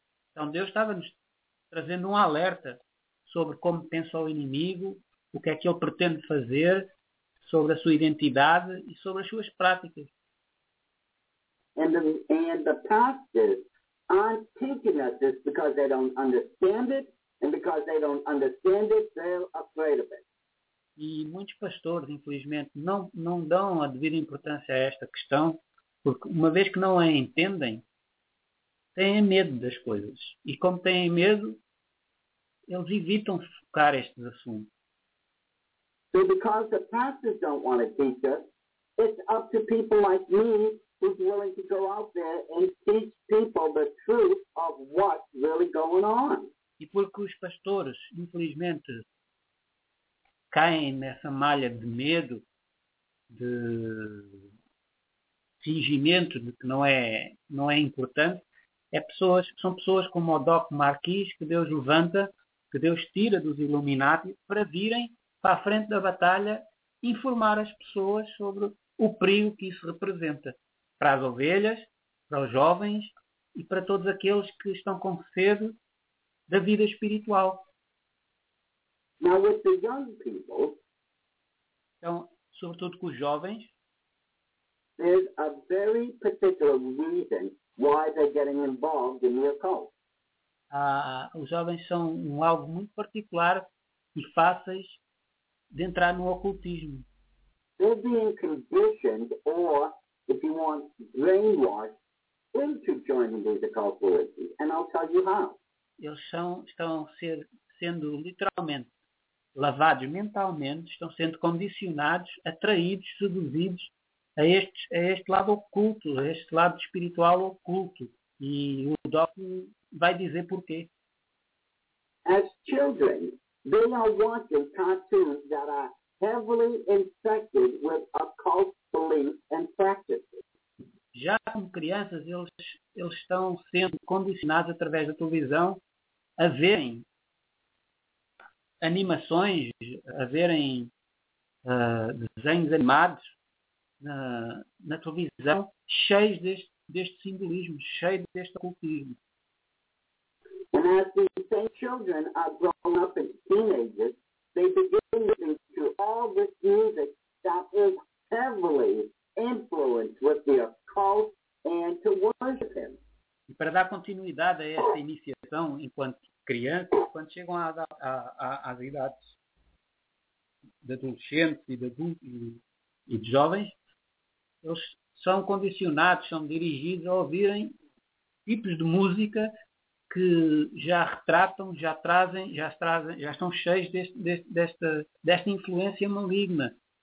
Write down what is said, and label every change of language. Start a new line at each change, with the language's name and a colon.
Portuguese: Então, Deus estava-nos trazendo um alerta sobre como pensa o inimigo, o que é que ele pretende fazer, sobre a sua identidade e sobre as suas práticas.
English: And the pastors aren't teaching us this because they don't understand it, and because they don't understand it, they're afraid of it.
Portuguese: E muitos pastores, infelizmente, não dão a devida importância a esta questão, porque uma vez que não a entendem, têm medo das coisas. E como têm medo, eles evitam focar estes assuntos.
English: So because the pastors don't want to teach us, it's up to people like me who's willing to go out there and teach people the truth of what's really going on.
Portuguese: E porque os pastores, infelizmente, caem nessa malha de medo, de fingimento de que não é importante, são pessoas como o Doc Marquis, que Deus levanta, que Deus tira dos Illuminati, para virem para a frente da batalha informar as pessoas sobre o perigo que isso representa para as ovelhas, para os jovens e para todos aqueles que estão com sede da vida espiritual.
English: Now with the young people,
Portuguese: então, sobretudo com os jovens,
English: there's a very particular reason why they're getting involved in the occult.
Portuguese: Os jovens são um algo muito particular e fáceis de entrar no ocultismo.
English: They're being conditioned, or if you want, brainwashed into joining these occult forces, and I'll tell you how.
Portuguese: Eles estão sendo literalmente lavados mentalmente, estão sendo condicionados, atraídos, seduzidos a este lado oculto, a este lado espiritual oculto. E o Doc vai dizer porquê.
English: As children, they are watching cartoons that are heavily infected with occult beliefs and practices.
Portuguese: Já como crianças, eles estão sendo condicionados através da televisão a verem animações, a verem desenhos animados na televisão, cheios deste simbolismo, cheios deste ocultismo.
English: And as these same children are grown up as teenagers, they begin listening to all this music that is heavily influenced with the occult and to worship him.
Portuguese: E para dar continuidade a esta iniciação enquanto crianças, quando chegam às idades de adolescentes e de jovens, eles são condicionados, são dirigidos a ouvirem tipos de música que já retratam, já trazem, já estão cheios desta influência maligna.